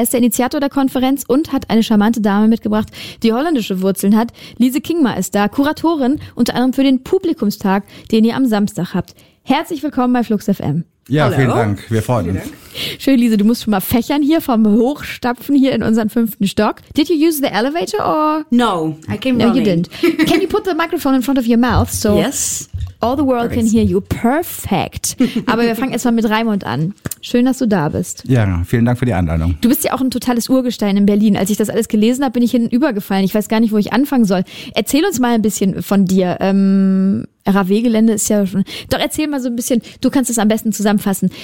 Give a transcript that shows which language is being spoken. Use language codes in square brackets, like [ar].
[de] Er ist der Initiator der Konferenz und hat eine charmante Dame mitgebracht, die holländische Wurzeln hat. Lise Kingma ist da, Kuratorin unter anderem für den Publikumstag, den ihr am Samstag habt. Herzlich willkommen bei Flux FM. Ja, hallo. Vielen Dank. Wir freuen uns. Schön, Lise, du musst schon mal fächern hier vom Hochstapfen hier in unseren 5. Stock. [en] Did you use the elevator or? No, I came running. No, you didn't. Can you put the microphone in front of your mouth so yes, all the world can hear you? Perfect. [de] Aber wir fangen erstmal mit Raimund an. Schön, dass du da bist. Ja, vielen Dank für die Einladung. Du bist ja auch ein totales Urgestein in Berlin. Als ich das alles gelesen habe, bin ich hinten übergefallen. Ich weiß gar nicht, wo ich anfangen soll. Erzähl uns mal ein bisschen von dir. RAW-Gelände ist ja schon... Doch, erzähl mal so ein bisschen, du kannst es am besten zusammenfassen.